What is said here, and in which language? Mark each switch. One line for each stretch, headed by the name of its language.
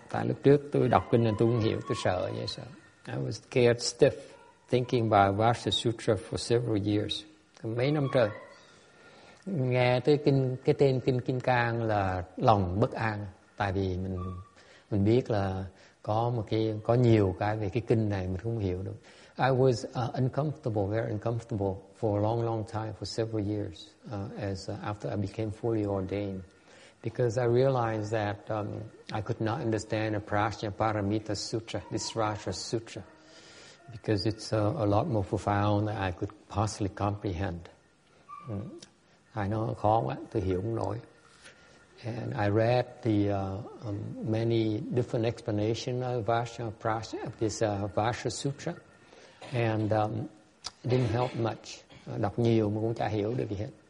Vietnamese: Tại lúc trước tôi đọc kinh này tôi không hiểu, tôi sợ vậy sao?
English: I was scared stiff thinking about Vajra Sutra for several years.
Vietnamese: Mấy năm trời. Nghe tới kinh, cái tên kinh Kim Cang là lòng bất an. Tại vì mình biết là có một cái, có nhiều cái về cái kinh này mình không hiểu được.
English: I was uncomfortable, very uncomfortable for a long, long time, for several years, after I became fully ordained, because I realized that I could not understand the Prajna Paramita Sutra, this Vajra Sutra, because it's a lot more profound than I could possibly comprehend. I know
Vietnamese: khó quá, tôi hiểu không nổi.
English: And I read the many different explanations of Vajra Sutra, and it didn't help much.
Vietnamese: Đọc nhiều mà cũng chả hiểu được gì hết.